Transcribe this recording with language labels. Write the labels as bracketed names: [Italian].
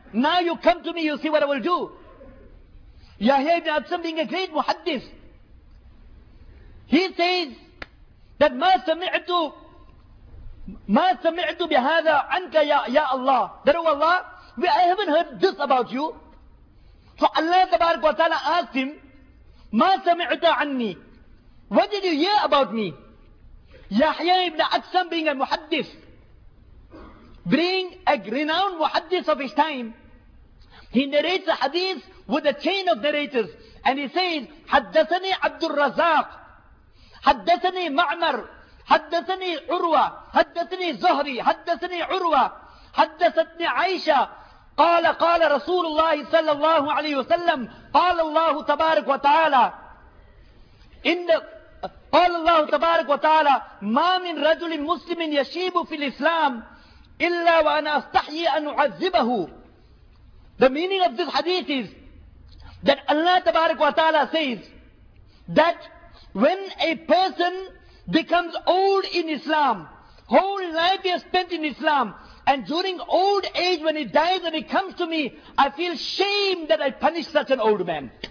[English] Now you come to me, you see what I will do. Yahya ibn Aksam, being a great muhaddith, he says that [Arabic] مَا سَمِعْتُ بِهَذَا عَنْكَ يَا اللَّهِ. [English] That, oh Allah, I haven't heard this about you. So Allah tabarak wa ta'ala asked him, [Arabic] مَا سَمِعْتَ عَنِّي. [English] What did you hear about me? Yahya ibn Aksam, being a muhaddith, being a renowned muhaddith of his time, he narrates a hadith with a chain of narrators, and he says, [Arabic] حدثني عبد الرزاق, حدثني معمر, حدثني عروة, حدثني زهري, حدثني عروة, حدثتني عائشة, قال قال رسول الله صلى الله عليه وسلم, قال الله تبارك وتعالى, إن قال الله تبارك وتعالى, ما من رجل مسلم يشيب في الإسلام إلا وأنا أستحي أن أعذبه. [English] The meaning of this hadith is that Allah tabarak wa ta'ala says that when a person becomes old in Islam, whole life he has spent in Islam, and during old age when he dies and he comes to me, I feel shame that I punish such an old man.